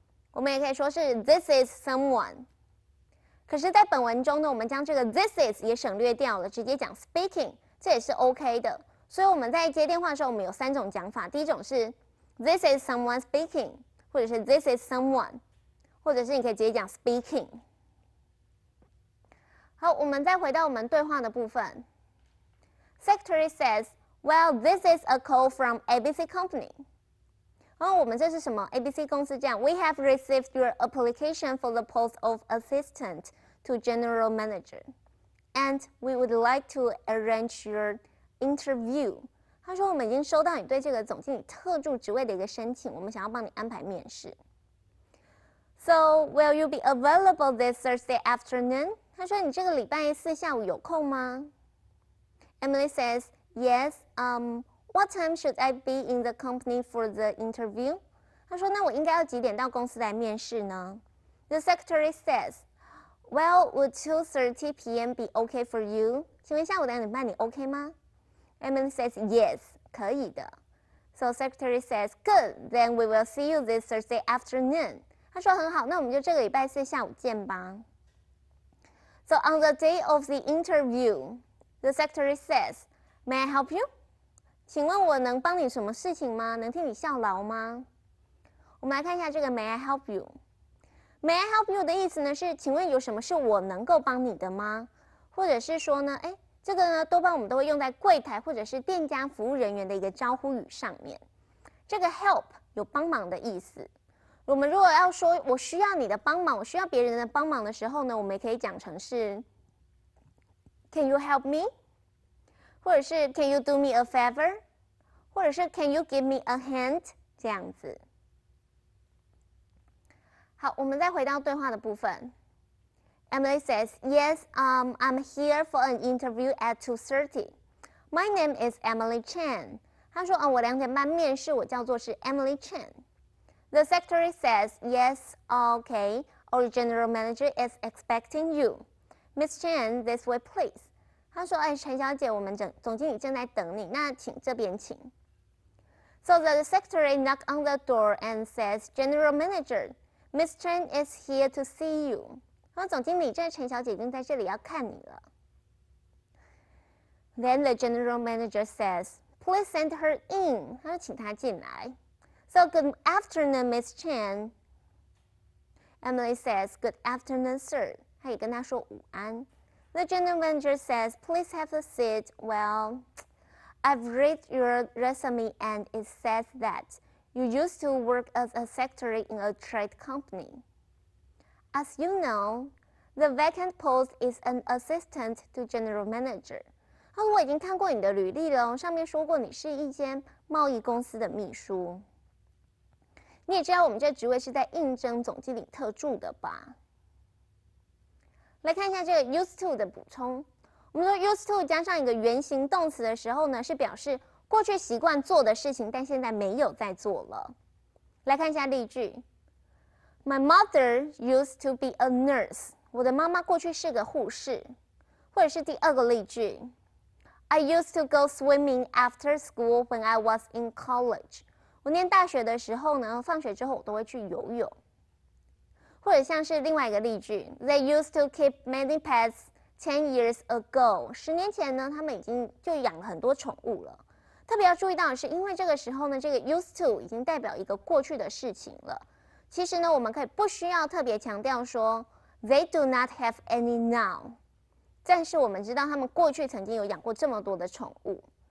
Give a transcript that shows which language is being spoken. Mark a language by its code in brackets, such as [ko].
[zh] 我们也可以说是 [en] This is someone。 [zh] 可是，在本文中呢，我们将这个 This is 也省略掉了，直接讲 speaking， 这也是 OK 的。所以我们在接电话的时候，我们有三种讲法。第一种是 [en] This is someone speaking， [zh] 或者是 [en] This is someone， [zh] 或者是你可以直接讲 speaking。好，我们再回到我们对话的部分。 [en] Secretary says, "Well, this is a call from ABC Company." [zh] 哦，我们这是什么 ？ABC 公司这样。 [en] We have received your application for the post of assistant to general manager, and we would like to arrange your interview. [zh] 他说，我们已经收到你对这个总经理特助职位的一个申请，我们想要帮你安排面试。 [en] So, will you be available this Thursday afternoon? [zh] 他说，你这个礼拜四下午有空吗？ [en] Emily says, "Yes. What time should I be in the company for the interview?" [zh] 她说，那我应该要几点到公司来面试呢？ [en] The secretary says, "Well, would 2:30 p.m. be okay for you?" [zh] 请问下午两点半你 OK 吗？ [en] Emily says, "Yes, [zh] 可以的." [en] So secretary says, "Good. Then we will see you this Thursday afternoon." [zh] 他说很好，那我们就这个礼拜四下午见吧。 [en] So on the day of the interview, the secretary says, May I help you? [zh] 请问我能帮你什么事情吗？能替你效劳吗？我们来看一下这个 [en] May I help you? May I help you [zh] 的意思呢是请问有什么是我能够帮你的吗？或者是说呢，哎，这个呢多半我们都会用在柜台或者是店家服务人员的一个招呼语上面。这个 help 有帮忙的意思。我们如果要说我需要你的帮忙，我需要别人的帮忙的时候呢，我们也可以讲成是 [en] Can you help me? [zh] 或者是 [en] Can you do me a favor? 或者是 Can you give me a hand? 这样子。 [zh] 好，我们再回到对话的部分。 [en] Emily says, Yes, I'm here for an interview at 2:30. My name is Emily Chan. [zh] 她说，我两点半面试，我叫做是 Emily Chan. [en] The secretary says, Yes, okay, our general manager is expecting you. Miss Chan, this way, please. [zh] 她说，哎，陈小姐，我们总经理正在等你，那请这边请。 [en] So the secretary knocked on the door and says, General manager, Miss Chan is here to see you. [zh] 总经理，这陈小姐已经在这里要看你了。 [en] Then the general manager says, Please send her in. [zh] 他说请她进来。 [en] So good afternoon, Miss Chan. Emily says, Good afternoon, sir. [zh] 她也跟她说午安。 [en] The general manager says, Please have a seat. Well, I've read your resume and it says that you used to work as a secretary in a trade company. As you know, the vacant post is an assistant to general manager. [zh] 他说我已经看过你的履历了，上面说过你是一间贸易公司的秘书。你也知道我们这职位是在应征总经理特助的吧？来看一下这个 used to 的补充。我们说 used to 加上一个原形动词的时候呢，是表示过去习惯做的事情，但现在没有在做了。来看一下例句。 [en] My mother used to be a nurse. [zh] 我的妈妈过去是个护士。或者是第二个例句。 [en] I used to go swimming after school when I was in college. [zh] 我念大学的时候呢，放学之后我都会去游泳。或者像是另外一个例句。 [en] They used to keep many pets 10 years ago. [zh] 十年前呢，他们已经就养了很多宠物了。特别要注意到的是，因为这个时候呢，这个 used to 已经代表一个过去的事情了。其实呢，我们可以不需要特别强调说 [en] they do not have any now， [zh] 但是我们知道他们过去曾经有养过这么多的宠物。